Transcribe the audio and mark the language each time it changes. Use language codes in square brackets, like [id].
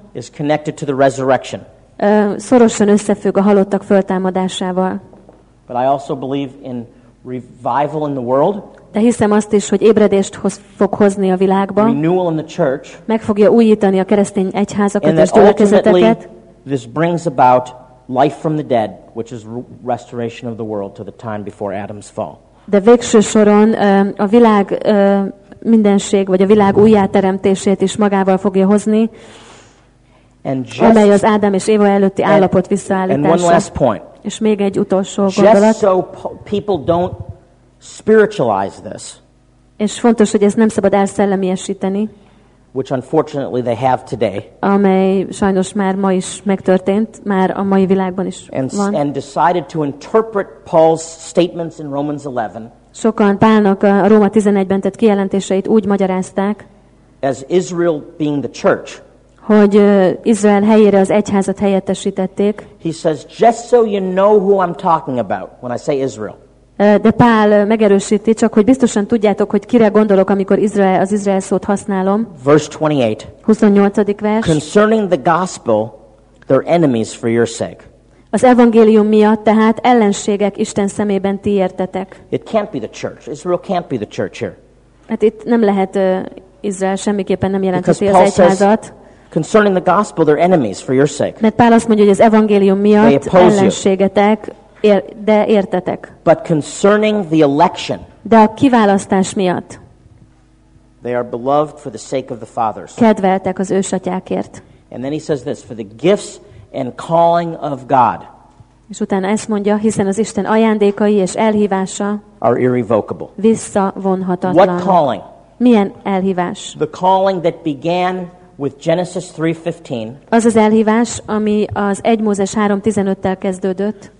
[en] is connected to the resurrection. [hu] Szorosan összefügg a halottak föltámadásával. [en] But I also believe in revival in the world. [hu] De hiszem azt is, hogy ébredést fog hozni a világba. [en] Renewal in the church. [hu] Meg fogja újítani a keresztény egyházakat és gyülekezeteket. [en] This brings about life from the dead, which is restoration of the world to the time before Adam's fall. [hu] De végső soron a világ mindenség vagy a világ újjáteremtését is magával fogja hozni, amely az Ádám és Éva előtti állapot visszaállítása. És még egy utolsó gondolat. [en] Just so people don't spiritualize this. [hu] És fontos, hogy ezt nem szabad elszellemiesíteni. [en] Which unfortunately they have today. [hu] Amely sajnos már ma is megtörtént, már a mai világban is van. [en] And decided to interpret Paul's statements in Romans 11. [hu] Sokan Pálnak a Róma 11-ben tett kijelentéseit úgy magyarázták, [en] as Israel being the church, [hu] hogy Izrael helyére az egyházat helyettesítették. [en] He says, just so you know who I'm talking about when I say Israel. [hu] De Pál megerősíti, csak hogy biztosan tudjátok, hogy kire gondolok, amikor Izrael, az Izrael szót használom. [en] Verse 28. [hu] 28. vers. [en] Concerning the gospel, they're enemies for your sake. [hu] Az evangélium miatt tehát ellenségek Isten szemében ti értetek. [en] It can't be the church. Israel can't be the church here. [hu] Hát itt nem lehet Izrael, semmiképpen nem jelentheti az egyházat. [en] Concerning the gospel, they're enemies for your sake. [hu] Mert Pál azt mondja, hogy az evangélium miatt ellenségetek, de értetek. [en] But concerning the election, [hu] de a kiválasztás miatt, [en] they are beloved for the sake of the fathers. [hu] Kedveltek az ősatyákért. [en] And then he says this, for the gifts and calling of God. [hu] És utána ezt mondja, hiszen az Isten ajándékai és elhívása [en] are irrevocable. [hu] Visszavonhatatlan. [en] What calling? [hu] Milyen elhívás? [en] The calling that began with Genesis 3:15. [hu] Az az elhívás, ami az 1 Mózes 3:15-tel kezdődött.